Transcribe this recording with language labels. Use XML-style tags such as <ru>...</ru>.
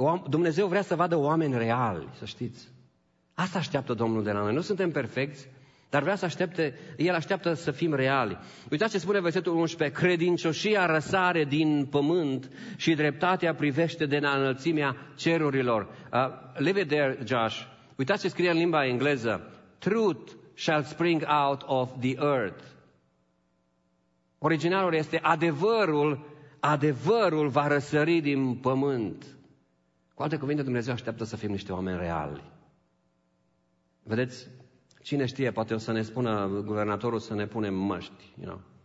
<ro>Dumnezeu vrea să vadă oameni reali, să știți. Asta așteaptă Domnul de la noi. Nu suntem perfecți, dar vrea să aștepte, El așteaptă să fim reali. Uitați ce spune versetul 11. Credincioșia răsare din pământ și dreptatea privește de la înălțimea cerurilor.</ro> <en>Leave it there, Josh.</en> <ro>Uitați ce scrie în limba engleză.</ro> <en>Truth shall spring out of the earth.</en> <ro>Originalul este adevărul va răsări din pământ. Cu alte cuvinte, Dumnezeu așteaptă să fim niște oameni reali. Vedeți, cine știe, poate o să ne spună guvernatorul să ne punem măști.</ro> <en>You know?</en>